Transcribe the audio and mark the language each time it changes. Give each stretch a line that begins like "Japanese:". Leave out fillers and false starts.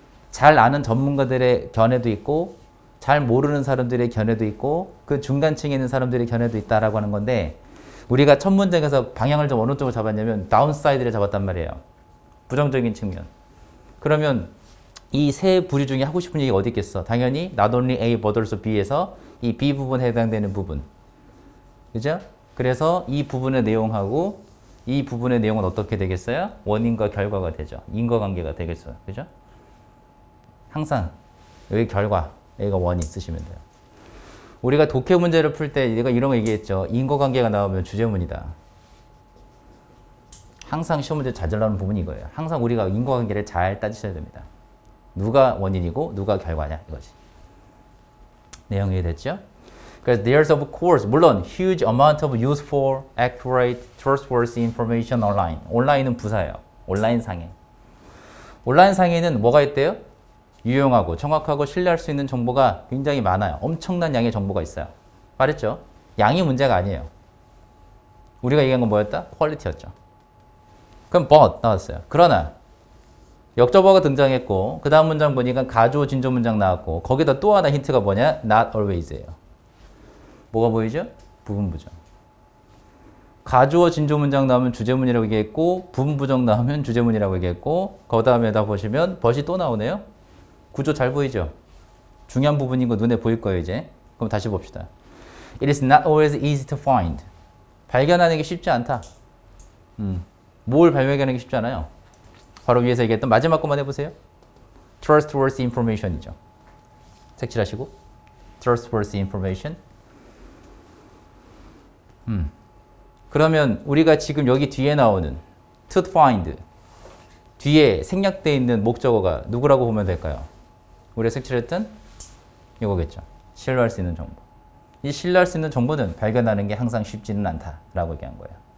Korean: 잘 아는 전문가들의 견해도 있고 잘 모르는 사람들의 견해도 있고 그 중간층에 있는 사람들의 견해도 있다라고 하는 건데 우리가 첫 문장에서 방향을 좀 어느 쪽으로 잡았냐면 다운사이드를 잡았단 말이에요. 부정적인 측면. 그러면 이 세 부류 중에 하고 싶은 얘기가 어디 있겠어? 당연히
English: not only A but also B
Korean: 에서 이 B 부분에 해당되는 부분. 그죠? 그래서 이 부분의 내용하고 이 부분의 내용은 어떻게 되겠어요? 원인과 결과가 되죠. 인과관계가 되겠어요. 그죠? 항상 여기 결과, 여기가 원인 쓰시면 돼요. 우리가 독해 문제를 풀 때 내가 이런 거 얘기했죠. 인과관계가 나오면 주제문이다. 항상 시험 문제 잘 나오는 부분이 이거예요. 항상 우리가 인과관계를 잘 따지셔야 됩니다. 누가 원인이고 누가 결과냐 이거지. 내용 이해 됐죠?
English: 'Cause there's of course,
Korean: 물론
English: huge amount of useful, accurate, trustworthy information online.
Korean: 온라인은 부사예요. 온라인 상에. 온라인 상에는 뭐가 있대요? 유용하고 정확하고 신뢰할 수 있는 정보가 굉장히 많아요. 엄청난 양의 정보가 있어요. 말했죠? 양이 문제가 아니에요. 우리가 얘기한 건 뭐였다? 퀄리티였죠. 그럼 but 나왔어요. 그러나 역조어가 등장했고 그 다음 문장 보니까 가조 진조 문장 나왔고 거기다 또 하나 힌트가 뭐냐?
English: Not always예요.
Korean: 뭐가 보이죠? 부분부정. 가주어 진조 문장 나오면 주제문이라고 얘기했고 부분부정 나오면 주제문이라고 얘기했고 그 다음에다 보시면 벗이 또 나오네요. 구조 잘 보이죠? 중요한 부분인 거 눈에 보일 거예요 이제. 그럼 다시 봅시다.
English: It is not always easy to find.
Korean: 발견하는 게 쉽지 않다. 뭘 발견하는 게 쉽지 않아요. 바로 위에서 얘기했던 마지막 것만 해보세요.
English: Trustworthy information이죠.
Korean: 색칠하시고
English: Trustworthy information.
Korean: 그러면 우리가 지금 여기 뒤에 나오는 to find 뒤에 생략되어 있는 목적어가 누구라고 보면 될까요? 우리가 색칠했던 이거겠죠. 신뢰할 수 있는 정보. 이 신뢰할 수 있는 정보는 발견하는 게 항상 쉽지는 않다라고 얘기한 거예요.